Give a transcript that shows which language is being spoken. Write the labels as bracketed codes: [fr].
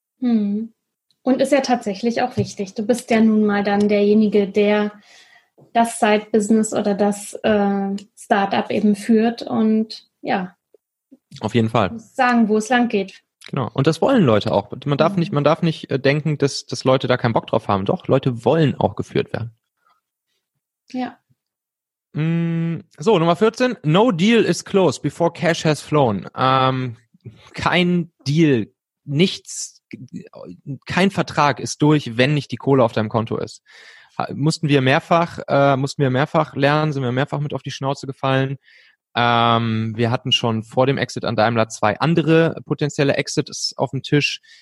[de] Und ist ja tatsächlich auch wichtig. Du bist ja nun mal dann derjenige, der das Side-Business oder das Startup eben führt und ja. Auf jeden Fall. Sagen, wo es lang geht. Genau. Und das wollen Leute auch. Man darf nicht denken, dass Leute da keinen Bock drauf haben. Doch, Leute wollen auch geführt werden. Ja. So, Nummer 14. [en] No deal is closed before cash has flown. [de] Kein Deal, nichts, kein Vertrag ist durch, wenn nicht die Kohle auf deinem Konto ist. Mussten wir mehrfach lernen, sind wir mehrfach mit auf die Schnauze gefallen. Wir hatten schon vor dem Exit an Daimler zwei andere potenzielle Exits auf dem Tisch.